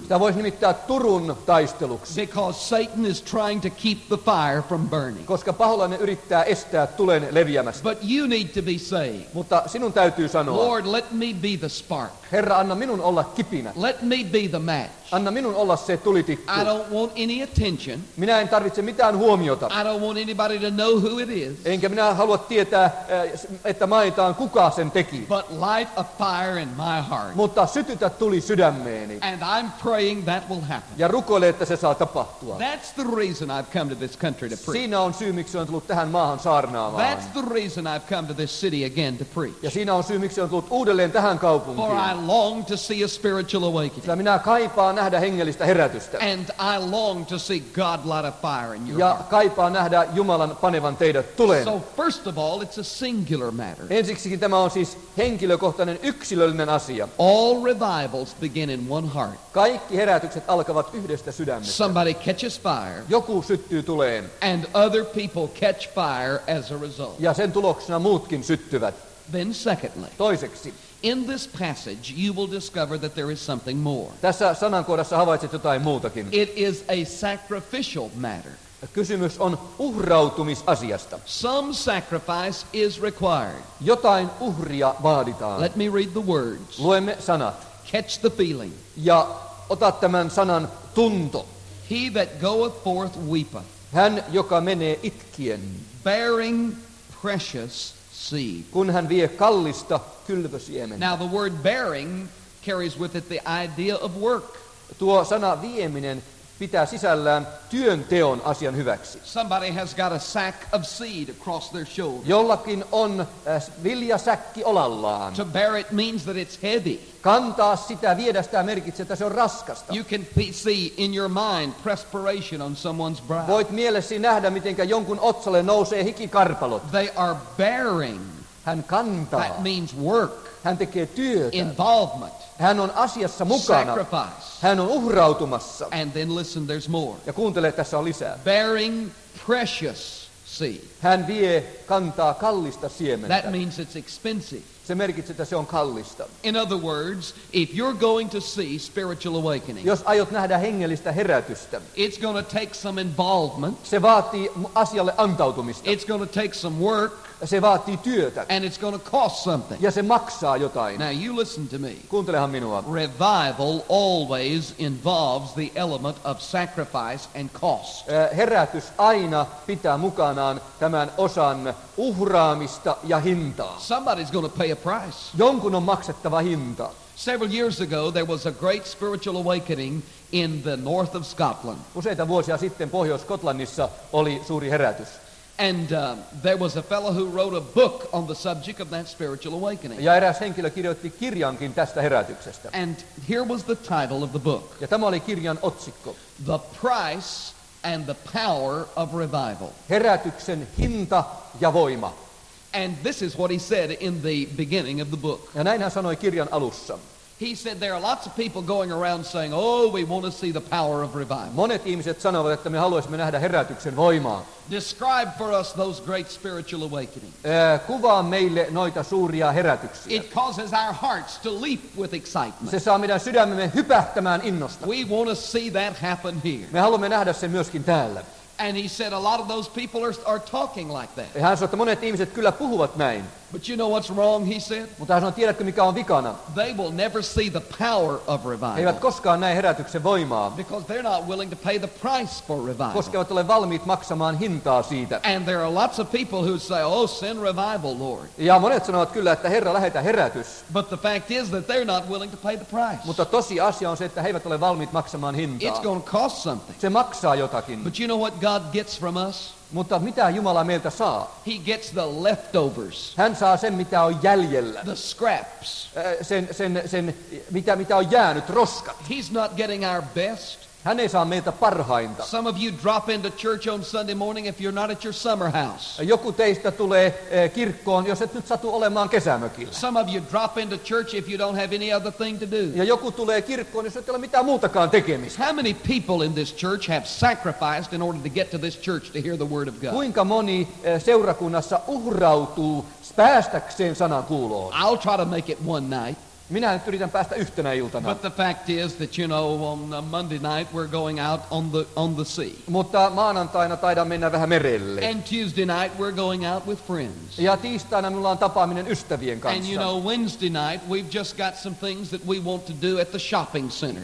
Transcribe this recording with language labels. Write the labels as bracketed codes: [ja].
[fi] Sitä voisi nimittää Turun taisteluksi. [en] Because Satan is trying to keep the fire from burning. [fi] Koska paholainen yrittää estää tulen leviämästä. [en] But you need to be saved. [fi] Mutta sinun täytyy sanoa. [en] Lord, let me be the spark. [fi] Herra, anna minun olla kipinä. [en] Let me be the match. [fi] Anna minun olla se tulitikku. [en] I don't want any attention. [fi] Minä en tarvitse mitään huomiota. [en] I don't want anybody to know who it is. [fi] Enkä minä halua tietää, että mainitaan, kuka sen teki. [en] But light a fire in my heart. [fi] Mutta sytytä tuli sydämeeni. [en] And I'm praying that will happen. [fi] Ja rukoile, että se saa tapahtua. [en] That's the reason I've come to this country to preach. [fi] Siinä on syy, miksi olen tullut tähän maahan saarnaamaan. [en] That's the reason I've come to this city again to preach. [fi] Ja siinä on syy, miksi olen tullut uudelleen tähän kaupunkiin. [en] For I long to see a spiritual awakening. [fi] Sillä minä kaipaan nähdä hengellistä herätystä. [en] And I long to see God light a fire in your [fi] heart. Ja kaipaan nähdä Jumalan panevan teidät tuleen. [en] So first of all, it's a singular matter. [fi] Ensiksikin tämä on siis henkilökohtainen yksilöllinen asia. [en] All revivals begin in one heart. [fi] Kaikki herätykset alkavat yhdestä sydämestä. [en] Somebody catches fire. [fi] Joku syttyy tuleen. [en] And other people catch fire as a result. [fi] Ja sen tuloksena muutkin syttyvät. [en] Then secondly. [fi] Toiseksi. [en] In this passage you will discover that there is something more. [fi] Tässä sanankohdassa havaitset jotain muutakin. [en] It is a sacrificial matter. [fi] Kysymys on uhrautumisasiasta. [en] Some sacrifice is required. [fi] Jotain uhria vaaditaan. [en] Let me read the words. [fi] Luemme sanat. [en] Catch the feeling. [fi] Ja ota tämän sanan tunto. [en] He that goeth forth weepeth. [fi] Hän, joka menee itkien. [en] Bearing precious seed. [fi] Kun hän vie kallista kylvösiemen. [en] Now the word bearing carries with it the idea of work. [fi] Tuo sana vieminen pitää sisällään työnteon asian hyväksi. [en] Somebody has got a sack of seed across their shoulder. [fi] Jollakin on viljasäkki olallaan. [en] To bear it means that it's heavy. [fi] Kantaa sitä, viedä sitä merkitsee, että se on raskasta. [en] You can see in your mind perspiration on someone's brow. [fi] Voit mielessäsi nähdä, miten jonkun otsalle nousee hikikarpalot. [en] They are bearing. [fi] Hän kantaa. [en] That means work. [fi] Hän tekee työtä. [en] Involvement. [fi] Hän on asiassa mukana. [en] Sacrifice. [fi] Hän on uhrautumassa. [en] And then listen, there's more. [fi] Ja kuuntele, tässä on lisää. [en] Bearing precious seed. [fi] Hän vie kantaa kallista siementä. [en] That means it's expensive. [fi] Se merkitsee, että se on kallista. [en] In other words, if you're going to see spiritual awakening, [fi] jos aiot nähdä hengellistä herätystä, [en] it's going to take some involvement. [fi] Se vaatii asialle antautumista. [en] It's going to take some work. [fi] Se vaatii työtä. [en] And it's going to cost something. [fi] Ja se maksaa jotain. [en] Now you listen to me. [fi] Kuuntelehan minua. [en] Revival always involves the element of sacrifice and cost. [fi] Herätys aina pitää mukanaan tämän osan uhraamista ja hintaa. [en] Somebody's going to pay a price. [fi] Jonkun on maksettava hinta. [en] Several years ago there was a great spiritual awakening in the north of Scotland. [fi] Useita vuosia sitten Pohjois-Skotlannissa oli suuri herätys. [en] And there was a fellow who wrote a book on the subject of that spiritual awakening. [fi] Ja eräs henkilö kirjoitti kirjankin tästä herätyksestä. [en] And here was the title of the book. [fi] Ja tämä oli kirjan otsikko. [en] The Price and the Power of Revival. [fi] Herätyksen hinta ja voima. [en] And this is what he said in the beginning of the book. [fi] Ja näin hän sanoi kirjan alussa. [en] He said there are lots of people going around saying, "Oh, we want to see the power of revival." [fi] Monet ihmiset sanovat, että me haluaisimme nähdä herätyksen voimaa. [en] Describe for us those great spiritual awakenings. [fi] Kuvaa meille noita suuria herätyksiä. [en] It causes our hearts to leap with excitement. [fi] Se saa meidän sydämemme hypähtämään innosta. [en] We want to see that happen here. [fi] Me haluamme nähdä sen myöskin täällä. [en] And he said a lot of those people are talking like that. [fi] Ja hän sanoi, että monet ihmiset kyllä puhuvat näin. [en] But you know what's wrong, he said. [fi] Mutta hän sanoi, tiedätkö mikä on vikana? [en] They will never see the power of revival. [fi] He eivät koskaan näe herätyksen voimaa. [en] Because they're not willing to pay the price for revival. [fi] Koska eivät ole valmiit maksamaan hintaa siitä. [en] And there are lots of people who say, "Oh, send revival, Lord." [fi] Ja monet sanovat kyllä, että Herra lähetä herätys. [en] But the fact is that they're not willing to pay the price. [fi] Mutta tosi asia on se, että he eivät ole valmiit maksamaan hintaa. [en] It's going to cost something. [fi] Se maksaa jotakin. [en] But you know what God gets from us? [fi] Mutta mitä Jumala meiltä saa? [en] He gets the leftovers. [fi] Hän saa sen, mitä on jäljellä. [en] The scraps. [fi] Sen mitä on jäänyt, roskat. [en] He's not getting our best. [fi] Hän ei saa meiltä parhainta. [en] Some of you drop into church on Sunday morning if you're not at your summer house. [fi] Joku teistä tulee kirkkoon, jos et nyt satu olemaan kesämökillä. [en] Some of you drop into church if you don't have any other thing to do. [fi] Ja joku tulee kirkkoon, jos et ole mitään muutakaan tekemistä. [en] How many people in this church have sacrificed in order to get to this church to hear the word of God? [fi] Kuinka moni seurakunnassa uhrautuu päästäkseen sanan kuuloon? [en] I'll try to make it one night. [fi] Minä nyt yritän päästä yhtenä iltana. [en] But the fact is that you know on Monday night we're going out on the sea. [fi] Mutta maanantaina taidan mennä vähän merelle. [en] And Tuesday night we're going out with friends. [fi] Ja tiistaina minulla on tapaaminen ystävien kanssa. [en] And you know Wednesday night we've just got some things that we want to do at the shopping center.